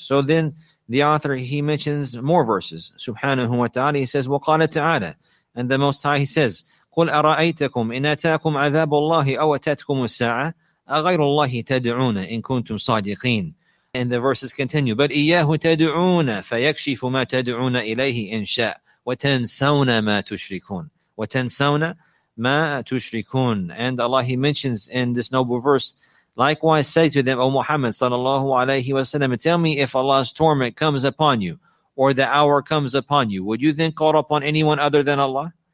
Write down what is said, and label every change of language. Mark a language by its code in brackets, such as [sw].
[en] So then the author, he mentions more verses. Subhanahu wa ta'ala, he says, [ar] وَقَالَ تَعَالَى. [en] And the Most High, he says, [ar] قُلْ أَرَأَيْتَكُمْ إِنْ أَتَاكُمْ عَذَابُ اللَّهِ أَوْ أَتَتْكُمُ السَّاعَةَ أَغَيْرُ اللَّهِ تَدْعُونَ إِن كُنْتُمْ صَادِقِينَ. [en] And the verses continue, but [ar] إِيَّهُ تَدْعُونَ فَيَكْشِفُ مَا تَدْعُونَ إِلَيْهِ إِنْ شَاءَ وَتَنْسَوْنَ مَا تُشْرِكُونَ وَتَنْسَوْنَ مَا تُشْرِكُونَ. [en] And Allah, he mentions in this noble verse, likewise say to them, O Muhammad sallallahu alayhi wa sallam, tell me if Allah's torment comes upon you or the hour comes upon you, would you then call upon anyone other than Allah?